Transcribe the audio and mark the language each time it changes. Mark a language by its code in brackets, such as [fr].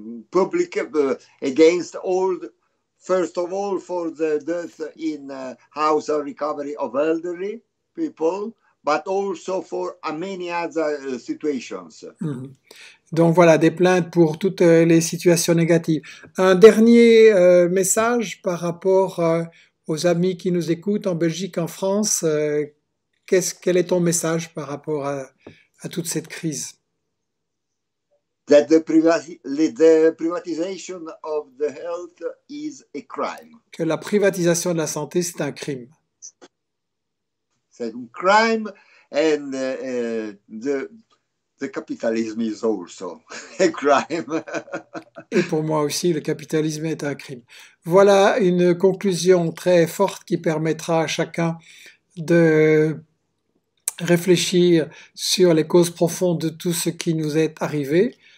[en] Public against all, first of all, for the death in house of recovery of elderly people, but also for many other situations. Mm-hmm. [fr] Donc voilà, des plaintes pour toutes les situations négatives. Un dernier message par rapport aux amis qui nous écoutent en Belgique, en France. Quel est ton message par rapport à toute cette crise? [en] That the privatization of the health is a crime. [fr] Que la privatisation de la santé, c'est un crime. C'est un crime, [en] and The capitalism is also a crime. [fr] Et pour moi aussi, le capitalisme est un crime. Voilà une conclusion très forte qui permettra à chacun de réfléchir sur les causes profondes de tout ce qui nous est arrivé.